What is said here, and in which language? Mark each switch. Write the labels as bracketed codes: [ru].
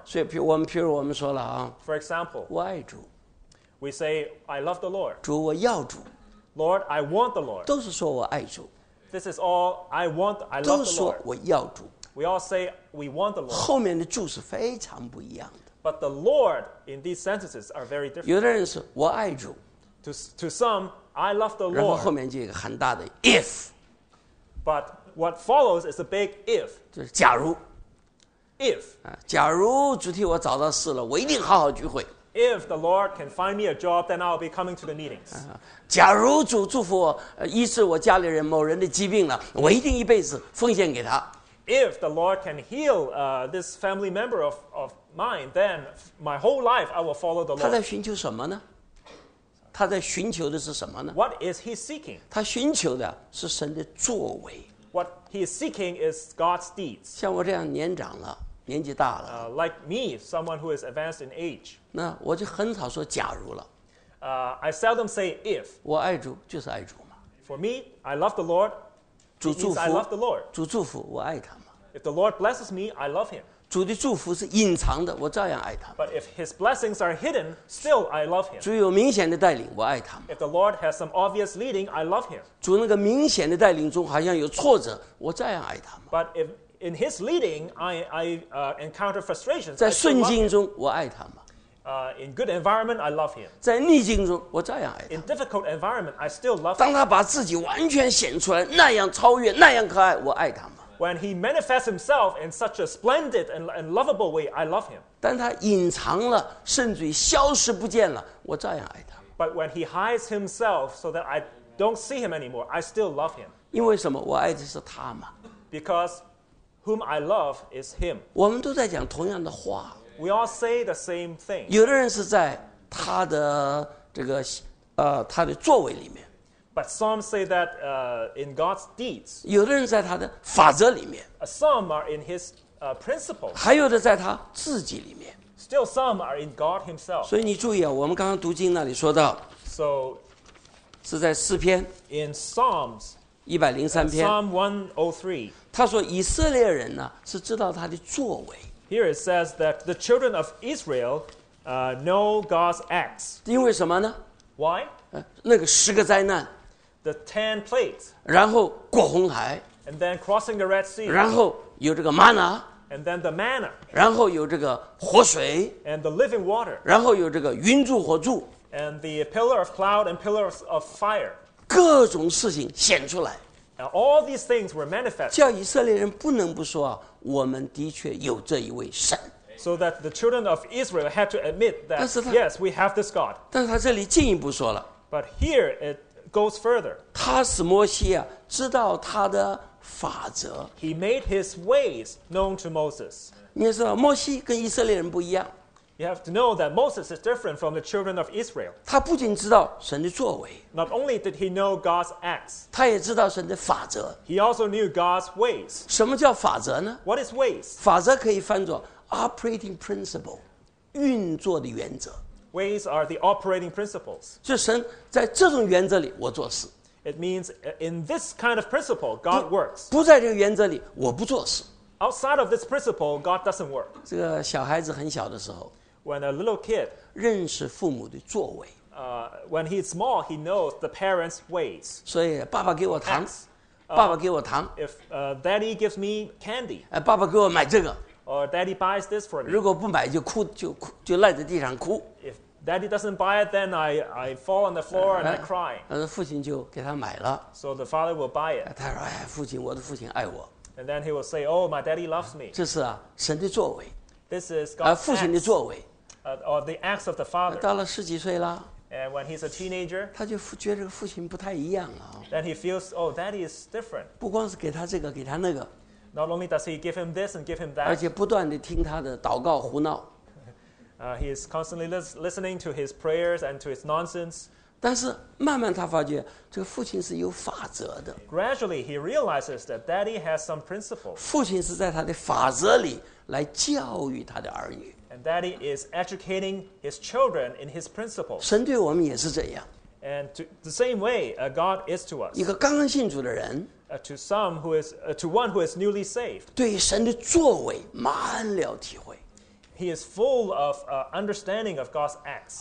[zh] 所以我们譬如我们说了啊。 [en] For example. [zh] 我爱主。 [en] We say, I love the Lord. [zh] 主我要主。 [en] Lord, I want the Lord. [zh] 都是说我爱主。 [en] This is all I want. I love the Lord. [zh] 都说我要主。 [en] We all say we want the Lord. [zh] 后面的主是非常不一样的。 [en] But the Lord in these sentences are very different. [zh] 有的人是我爱主。 [en] To some, I love the Lord. [zh] 然后后面就有一个很大的 if. [en] But what follows is a big if. [zh] 就是假如。 [en] If. [zh] 假如主替我找到事了，我一定好好聚会。 [en] If the Lord can find me a job, then I'll be coming to the meetings. [zh] 假如主祝福我，医治我家里人某人的疾病了，我一定一辈子奉献给他。 [en] If the Lord can heal this family member of mine, then my whole life I will follow the Lord. [zh] 他在寻求什么呢？他在寻求的是什么呢 [en] ？What is he seeking? [zh] 他寻求的是神的作为。 [en] What he is seeking is God's deeds. [zh] 像我这样年长了，年纪大了。 [en] Like me, someone who is advanced in age. [zh] 那我就很少说假如了。 [en] I seldom say if. [zh] 我爱主就是爱主嘛。 [en] For me, I love the Lord. [zh] 主祝福。 [en] I love the Lord. [zh] 主祝福，我爱他嘛。 [en] If the Lord blesses me, I love him. [zh] 主的祝福是隐藏的，我照样爱他。 [en] But if his blessings are hidden, still I love him. [zh] 主有明显的带领，我爱他。 [en] If the Lord has some obvious leading, I love him. [zh] 主那个明显的带领中好像有挫折，我照样爱他。 [en] But if in his leading, I encounter frustrations, [zh] 在顺境中，我爱他嘛。 [en] In good environment, I love him. [zh] 在逆境中，我照样爱他。 [en] In difficult environment, I still love him. [zh] 当他把自己完全显出来，那样超越，那样可爱，我爱他嘛。 [en] When he manifests himself in such a splendid and lovable way, I love him. [zh] 但他隐藏了，甚至于消失不见了，我照样爱他。 [en] But when he hides himself so that I don't see him anymore, I still love him. [zh] 因为什么？我爱的是他嘛。 [en] Because whom I love is him. [zh] 我们都在讲同样的话。 [en] We all say the same thing. [zh] 有的人是在他的这个他的作为里面。 [en] But some say that in God's deeds. [zh] 有的人在他的法则里面。 [en] Some are in his principles. [zh] 还有的在他自己里面。 [en] Still some are in God himself. [zh] 所以你注意啊，我们刚刚读经那里说到。 [en] So, [zh] 是在诗篇。 [en] In Psalms. [zh] 103篇。 [en] Psalm 103. [zh] 他说以色列人呢是知道他的作为。 [en] Here it says that the children of Israel know God's acts. [zh] 因为什么呢？ [en] Why? [zh] 那个十个灾难， [en] the ten plagues, [zh] 然后过红海， [en] and then crossing the Red Sea, [zh] 然后有这个 manna, [en] and then the manna, [zh] 然后有这个活水， [en] and the living water, [zh] 然后有这个云柱火柱， [en] and the pillar of cloud and pillar of fire, [zh] 各种事情显出来， [en] now, all these things were manifest, [zh] 叫以色列人不能不说，我们的确有这一位神。 [en] So that the children of Israel had to admit that, yes, we have this God. [zh] 但是他这里进一步说了。 [en] But here it goes further. [zh] 他使摩西啊，知道他的法则。 [en] He made his ways known to Moses. [zh] 你知道摩西跟以色列人不一样。 [en] You have to know that Moses is different from the children of Israel. [zh] 他不仅知道神的作为。 [en] Not only did he know God's acts. [zh] 他也知道神的法则。 [en] He also knew God's ways. [zh] 什么叫法则呢？ [en] What is ways? [zh] 法则可以翻作 [en] Operating principle, [zh] 运作的原则。 [en] Ways are the operating principles. [zh] 就神在这种原则里，我做事。 [en] It means in this kind of principle, God works. [zh] 不在这个原则里，我不做事。 [en] Outside of this principle, God doesn't work. [zh] 这个小孩子很小的时候 [en] ，When a little kid [zh] 认识父母的作为。 [en] When he's small, he knows the parents' ways. [zh] 所以爸爸给我糖， [en] Next, [zh] 爸爸给我糖。 [en] If Daddy gives me candy, [zh] 爸爸给我买这个。 [en] Or daddy buys this for me. [zh] 如果不买就哭就赖在地上哭。 [en] If daddy doesn't buy it, then I fall on the floor and I cry. [zh] 父亲就给他买了。 [en] So the father will buy it. [zh] 他说，父亲，我的父亲爱我。 [en] And then he will say, oh, my daddy loves me. [zh] 这是神的作为。 [en] This is God's acts. [zh] 父亲的作为。 [en] Or the acts of the father. [zh] 到了十几岁了。 [en] And when he's a teenager. [zh] 他就觉得父亲不太一样啊。 [en] Then he feels, oh, daddy is different. [zh] 不光是给他这个，给他那个。 [en] Not only does he give him this and give him that, [zh] 而且不断地听他的祷告胡闹。 [en] He is constantly listening to his prayers and to his nonsense. [zh] 但是慢慢他发觉这个父亲是有法则的。 [en] Gradually he realizes that daddy has some principle. [zh] 父亲是在他的法则里来教育他的儿女。 [en] And daddy is educating his children in his principle. [zh] 神对我们也是这样。 [en] And to the same way, God is to us. [zh] 一个刚刚信主的人。 [en] To one who is newly saved, [zh] 对神的作为满了体会。 [en] He is full of understanding of God's acts.